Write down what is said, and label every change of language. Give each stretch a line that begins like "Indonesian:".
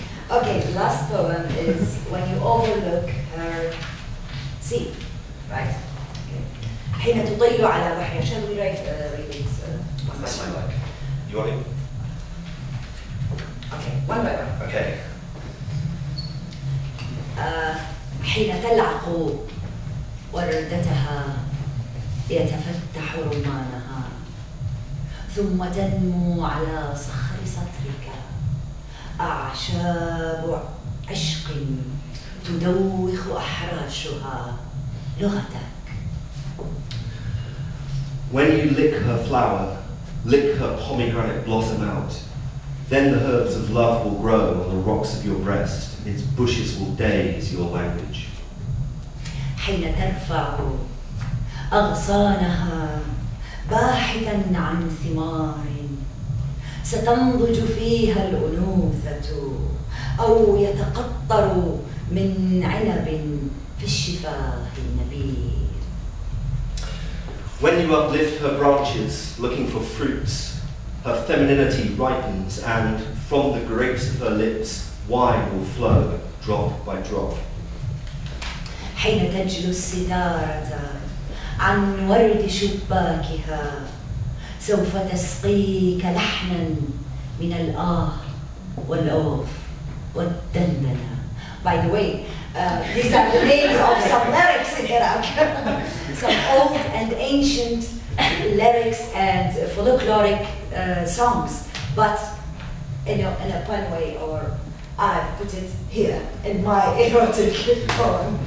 English: Okay, the last poem is When You Overlook Her Sea, right?
Arabic: حين تطي على بحر شل ريت ريت
English: That's my work. You want it? Okay, one by one. Okay.
Arabic: حين تلعق وردتها يتفتح رمانها ثم تنمو على صخر سطرك أعشاب عشق تدوخ أحراشها لغتك
English: When you lick her flower, lick her pomegranate blossom out, then the herbs of love will grow on the rocks of your breast, its bushes will daze your language.
Arabic: حين ترفع أغصانها باحثا عن ثمار ستنضج فيها الأنوثة أو يتقطر من عنب في الشفاه النبيذ
English: When you uplift her branches, looking for fruits, her femininity ripens, and from the grapes of her lips, wine will flow, drop by drop.
Arabic: حين تجل السدارة عن ورد شباكها سوف تسقيك لحنا من الآه والأوف والدندنة.
English: By the way, these are the names of some lyrics in Iraq. Some old and ancient lyrics and folkloric songs. But in a fun way, or I put it here in my erotic poem.